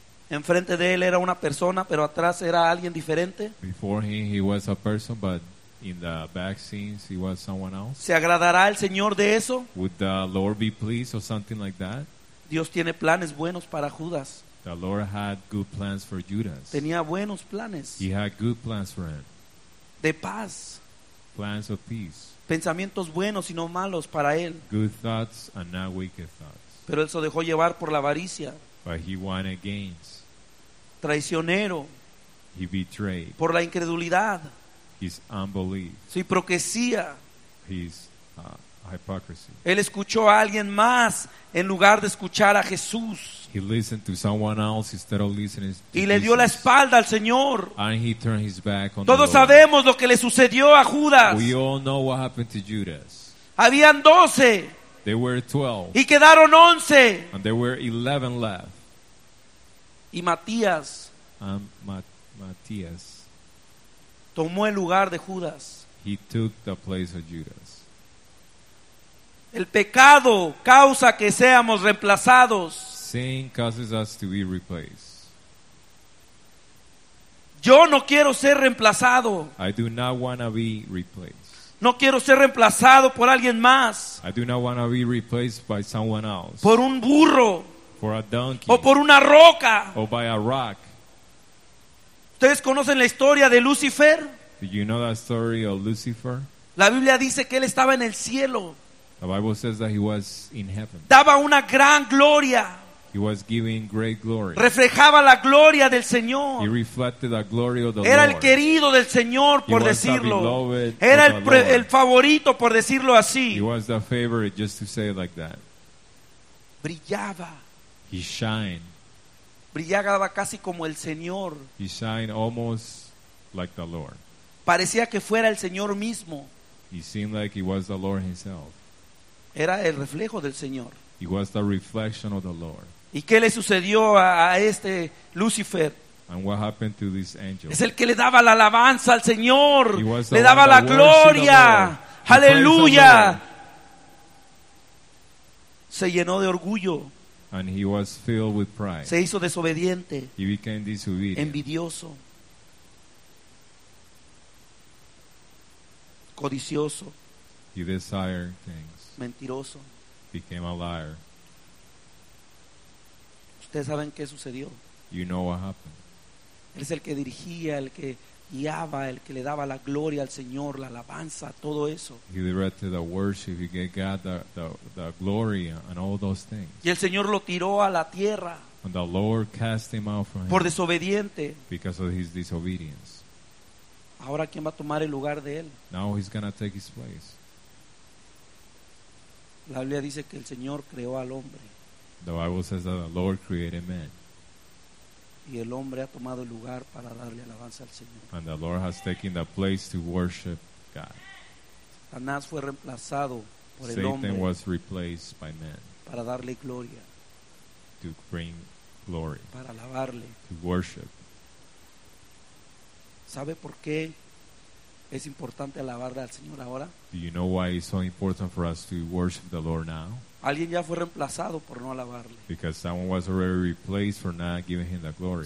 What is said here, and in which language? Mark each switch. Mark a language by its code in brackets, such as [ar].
[es] Enfrente de él era una persona, pero atrás era alguien diferente. [en] Before him he was a person, but in the back scenes he was someone else. [es] ¿Se agradará el Señor de eso? [en] Would the Lord be pleased or something like that? [es] Dios tiene planes buenos para Judas. [en] The Lord had good plans for Judas. [es] Tenía buenos planes. [en] He had good plans for him. [es] De paz. [en] Plans of peace. [es] Pensamientos buenos y no malos para él. [en] Good thoughts and not wicked thoughts. [es] Pero él se dejó llevar por la avaricia. [en] But he wanted gains. [es] Traicionero. [en] He betrayed. [es] Por la incredulidad. [en] His unbelief. [es] Su hipocresía. [en] His hypocrisy. [es] Él escuchó a alguien más en lugar de escuchar a Jesús. [en] He listened to someone else instead of listening to [es] y le dio [en] Jesus. [es] La espalda al Señor. [en] And he turned his back on [es] todos [en] the Lord. [es] Sabemos lo que le sucedió a Judas. [en] We all know what happened to Judas. [es] Habían 12. [en] They were 12. [es] Y quedaron 11. [en] And there were 11 left. [es] Y Matías Matías tomó el lugar de Judas. [en] He took the place of Judas. [es] El pecado causa que seamos reemplazados. [en] Sin causes us to be replaced. [es] Yo no quiero ser reemplazado. [en] I do not want to be replaced. [es] No quiero ser reemplazado por alguien más. [en] I do not want to be replaced by someone else. [es] Por un burro. [en] For a donkey. [es] O por una roca. [en] Or by a rock. [es] ¿Ustedes conocen la historia de Lucifer? [en] Do you know that story of Lucifer? [es] La Biblia dice que él estaba en el cielo. [en] The Bible says that he was in heaven. [es] Daba una gran gloria. [en] He was giving great glory. [es] Reflejaba la gloria del Señor. [en] He reflected the glory of the [es] Era [en] Lord. [es] Era el querido del Señor, por [en] he [es] decirlo. [en] Was the beloved [es] Era [en] of [es] el, [en] the Lord. [es] El favorito, por decirlo así. [en] He was the favorite, just to say it like that. [es] Brillaba. [en] He shined. [es] Brillaba casi como el Señor. [en] He shined almost like the Lord. [es] Parecía que fuera el Señor mismo. [en] He seemed like he was the Lord himself. [es] Era el reflejo del Señor. [en] He was the reflection of the Lord. [es] ¿Y qué le sucedió a este Lucifer? [en] And what happened to this angel? [es] Es el que le daba la alabanza al Señor. [en] He was the [es] le daba [en] one [es] la [en] that [es] gloria. Aleluya. Se llenó de orgullo. [en] And he was filled with pride. [es] Se hizo desobediente. [en] He became disobedient. [es] Envidioso. Codicioso. [en] He desired things. [es] Mentiroso. [en] Became a liar. [es] ¿Ustedes saben qué sucedió? [en] You know what happened. [es] Él es el que dirigía, el que guiaba, el que le daba la gloria al Señor, la alabanza, todo eso. [en] He directed the worship, he gave God the glory and all those things. [es] Y el Señor lo tiró a la tierra. [en] And the Lord cast him out from him. [es] Por desobediente. [en] Because of his disobedience. [es] Ahora, ¿quién va a tomar el lugar de él? [en] Now he's gonna take his place. [es] La Biblia dice que el Señor creó al hombre. [en] The Bible says that the Lord created man. [es] Y el hombre ha tomado el lugar para darle alabanza al Señor. [en] And the Lord has taken the place to worship God. [es] Satanás fue reemplazado por [en] Satan [es] el hombre. [en] Satan was replaced by man. [es] Para darle gloria. [en] To bring glory. [es] Para alabarle. [en] To worship. [es] ¿Sabe por qué es importante alabarle al Señor ahora? [en] Do you know why it's so important for us to worship the Lord now? [es] Alguien ya fue reemplazado por no alabarle. [en] Because someone was already replaced for not giving him the glory.